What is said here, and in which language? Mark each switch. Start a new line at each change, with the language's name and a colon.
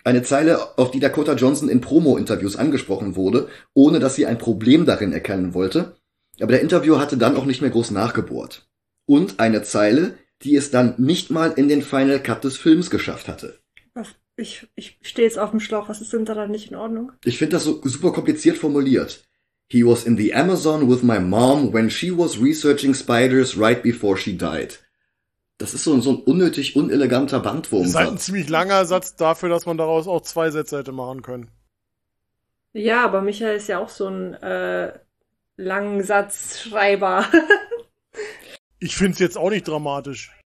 German: Eine Zeile, auf die Dakota Johnson in Promo-Interviews angesprochen wurde, ohne dass sie ein Problem darin erkennen wollte. Aber der Interviewer hatte dann auch nicht mehr groß nachgebohrt. Und eine Zeile, die es dann nicht mal in den Final Cut des Films geschafft hatte. Ach, ich stehe jetzt auf dem Schlauch. Was ist denn daran nicht in Ordnung? Ich finde das so super kompliziert formuliert.
English: "He was in the Amazon with my mom when she was researching spiders right before she died."
German: Das ist so ein unnötig uneleganter Bandwurm. Das ist halt ein ziemlich langer Satz dafür, dass man daraus auch 2 Sätze hätte machen können. Ja, aber Michael ist ja auch so ein langen Satzschreiber. Ich find's jetzt auch nicht dramatisch.